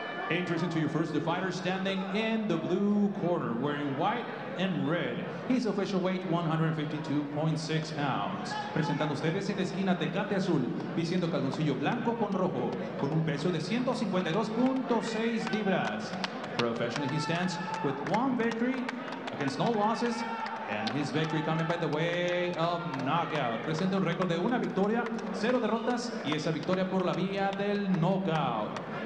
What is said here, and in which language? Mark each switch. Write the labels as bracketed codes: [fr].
[en] Introducing to you first, the fighter standing in the blue corner, wearing white and red. His official weight, 152.6 pounds. [es] Presentando ustedes en la esquina Tecate Azul, vistiendo calzoncillo blanco con rojo, con un peso de 152.6 libras. [en] Professionally, he stands with one victory against no losses, and his victory coming by the way of knockout. [es] Presenta un récord de una victoria, cero derrotas, y esa victoria por la vía del knockout.